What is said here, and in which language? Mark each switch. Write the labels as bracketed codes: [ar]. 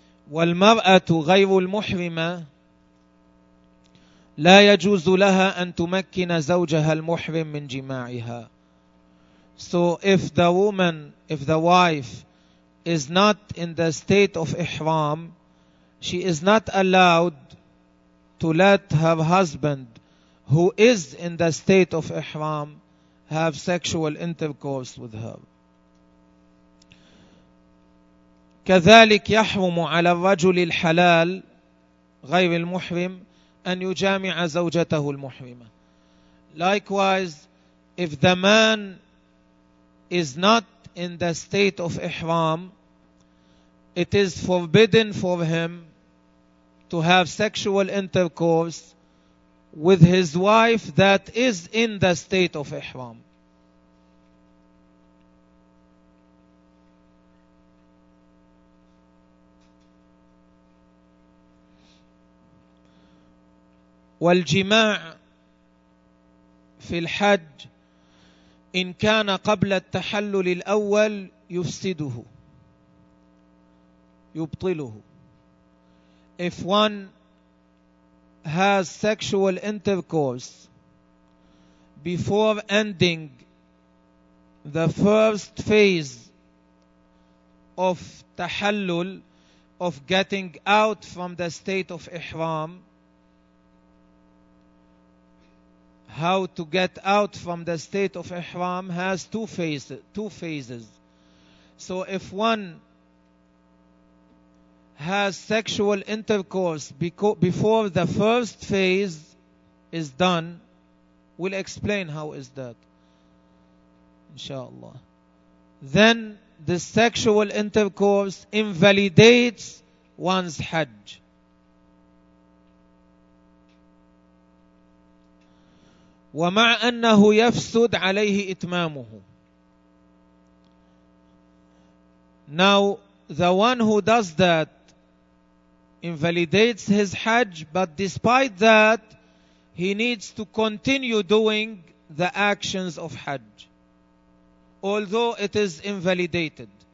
[ar] والمرأة غير المحرمة لا يجوز لها أن تمكن زوجها المحرم من جماعها. [en] So if the woman, if the wife is not in the state of ihram, she is not allowed to let her husband, who is in the state of ihram, have sexual intercourse with her. [ar] كذلك يحرم على الرجل الحلال غير المحرم أن يجامع زوجته المحرمة. [en] Likewise, if the man is not in the state of ihram, it is forbidden for him to have sexual intercourse with his wife that is in the state of ihram. [ar] والجماع في الحج إن كان قبل التحلل الأول يفسده يبطله. [en] if one has sexual intercourse before ending the first phase of tahallul, of getting out from the state of ihram, how to get out from the state of ihram has two phases. So if one has sexual intercourse before the first phase is done, we'll explain how is that, inshallah. Then the sexual intercourse invalidates one's Hajj. [ar] ومع أنه يفسد عليه إتمامه. [en] Now the one who does that invalidates his Hajj, but despite that, he needs to continue doing the actions of Hajj, although it is invalidated.